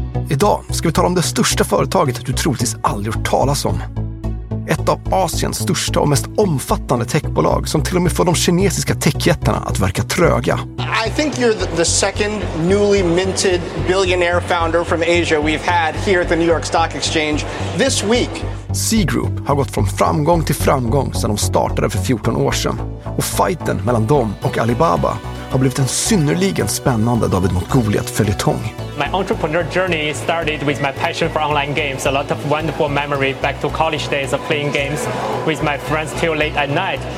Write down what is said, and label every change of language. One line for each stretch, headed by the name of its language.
Swedish: Idag ska vi tala om det största företaget du troligtvis aldrig hört talas om. Ett av Asiens största och mest omfattande techbolag som till och med får de kinesiska techjättarna att verka tröga.
English: I think you're the second newly minted billionaire founder from Asia we've had here at the New York Stock Exchange this week.
Swedish: C Group har gått från framgång till framgång sedan de startade för 14 år sedan. Och fighten mellan dem och Alibaba har blivit en synnerligen spännande David mot Goliat följetong.
English: My entrepreneur journey started with my passion for online games. A lot of wonderful memory back to college days of playing games with my friends till late at night.